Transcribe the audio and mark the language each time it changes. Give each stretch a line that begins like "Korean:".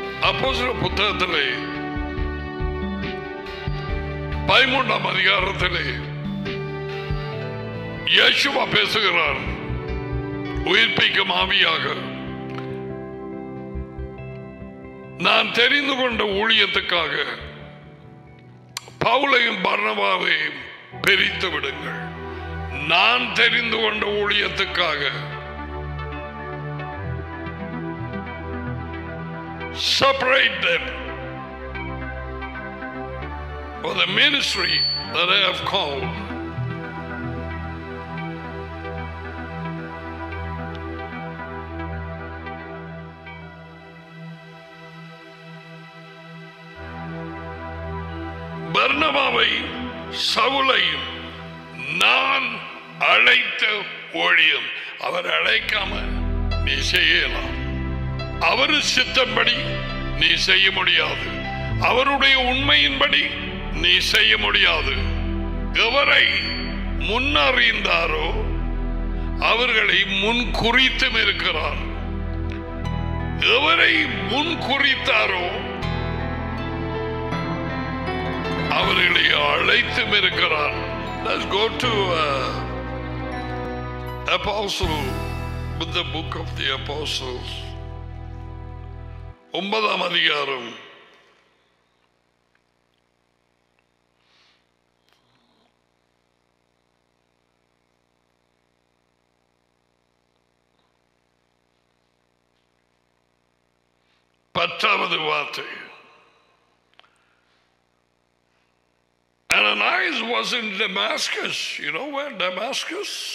Tamil: அப்போஸ்தல புத்தகத்திலே 13 யேசுவா பேசுகிறார், உயிர்ப்பிக்கும் ஆவியாக. நான் தெரிந்து கொண்ட ஊழியத்துக்காக பவுலையும் பர்னபாவையும் பிரித்து விடுங்கள். நான் தெரிந்து கொண்ட ஊழியத்துக்காக
English: Separate them for the ministry that I have called.
Tamil: பர்னபாவை சவுலையும் நான் அழைத்த ஓழியம். அவர் அழைக்காம நீ செய்யலாம். அவர் சித்தப்படி நீ செய்ய முடியாது. அவருடைய உண்மையின்படி நீ செய்ய முடியாது. எவரை முன்னறிந்தாரோ அவர்களை முன்குறித்தும் இருக்கிறார். எவரை முன்குறித்தாரோ அவர்களை அழைத்தும் இருக்கிறார்.
English: Let's go to Apostle, with the book of the Apostles.
Tamil: 9th அதிகாரம் 10th வார்த்தை.
English: Ananias was in Damascus. You know where Damascus?